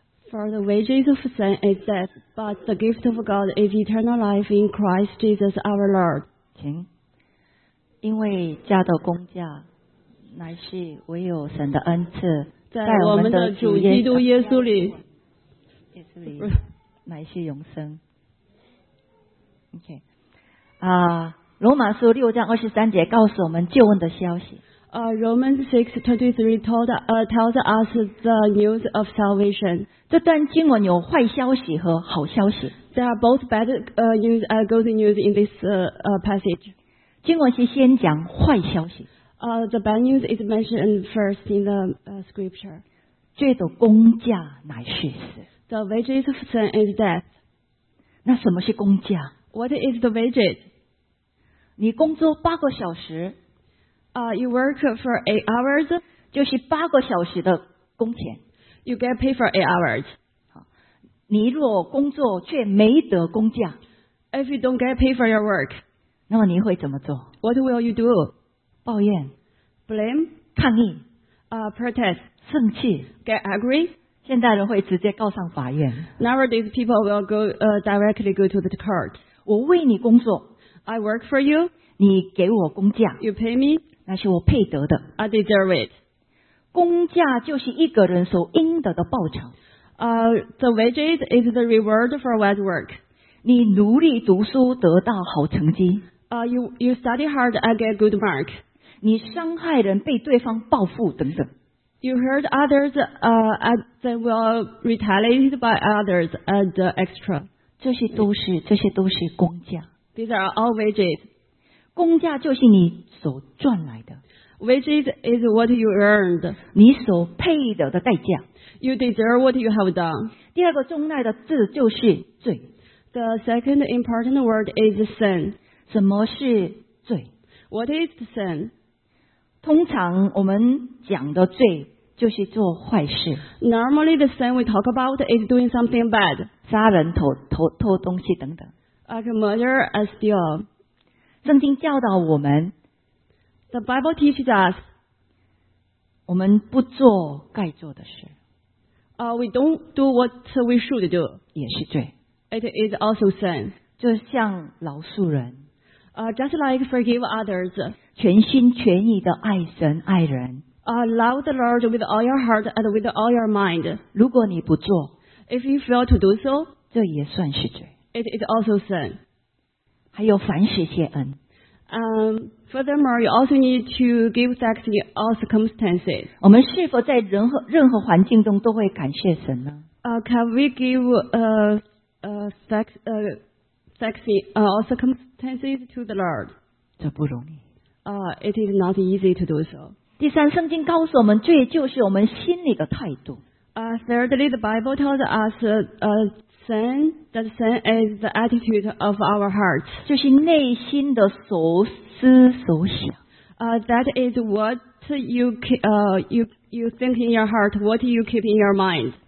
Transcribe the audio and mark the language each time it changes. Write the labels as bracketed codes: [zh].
[en] For the wages of sin is death, but the gift of God is eternal life in Christ Jesus our Lord. [zh] 请。因为家的工价乃是唯有神的恩赐，在我们的主基督耶稣里，耶稣里乃是永生。 OK， 罗马书六章二十三节告诉我们救恩的消息。 [en] Romans 6:23 tells us the news of salvation. [zh] 这段经文有坏消息和好消息。 [en] There are both bad news and good news in this passage. [zh] 经文是先讲坏消息。 [en] The bad news is mentioned first in the scripture. [zh] 罪的工价乃是死。 [en] The wages of sin is death. [zh] 那什么是工价？ [en] What is the wages? [zh] 你工作八个小时。 [en] You work for 8 hours. [zh] 就是八个小时的工钱。 [en] You get paid for 8 hours. [zh] 你若工作却没得工价。 [en] If you don't get paid for your work. [zh] 那么你会怎么做？ [en] What will you do? [zh] 抱怨。 [en] Blame. [zh] 抗议。 [en] Protest. [zh] 生气。 [en] Get angry. [zh] 现代人会直接告上法院。 [en] Nowadays, people will go, directly go to the court. [zh] 我为你工作。 [en] I work for you. [zh] 你给我工价。 [en] You pay me. [zh] 那是我配得的。 [en] I deserve it. [zh] 工价就是一个人所应得的报酬。 [en] The wages is the reward for what work. [zh] 你努力读书得到好成绩。 [en] You study hard and get good mark. [zh] 你伤害人被对方报复等等。 [en] You hurt others, they will retaliate by others and extra. [zh] 这些都是工价。 [en] These are all wages. [zh] 工价就是你所赚来的。 [en] Wages is what you earned. [zh] 你所配得的代价。 [en] You deserve what you have done. [zh] 第二个重要的字就是罪。 [en] The second important word is sin. [zh] 什么是罪？ [en] What is sin? [zh] 通常我们讲的罪就是做坏事。 [en] Normally the sin we talk about is doing something bad. [zh] 杀人、偷东西等等。 [en] Like murder and steal. [zh] 圣经教导我们。 [en] The Bible teaches us. [zh] 我们不做该做的事。 [en] We don't do what we should do. [zh] 也是罪。 [en] It is also sin. [zh] 就像饶恕人。 [en] Just like forgive others. [zh] 全心全意的爱神爱人。 [en] Love the Lord with all your heart and with all your mind. [zh] 如果你不做。 [en] If you fail to do so. [zh] 这也算是罪。 [en] It is also sin. [zh] 还有凡事谢恩。 [en] Furthermore, you also need to give thanks in all circumstances. [zh] 我们是否在任何环境中都会感谢神呢？ [en] Can we give all circumstances to the Lord. [zh] 这不容易。 [en] It is not easy to do so. [zh] 第三，圣经告诉我们，罪就是我们心里的态度。 [en] Thirdly, the Bible tells us, sin is the attitude of our hearts. [zh] 就是内心的所思所想。 [en] That is what you think in your heart, what you keep in your mind.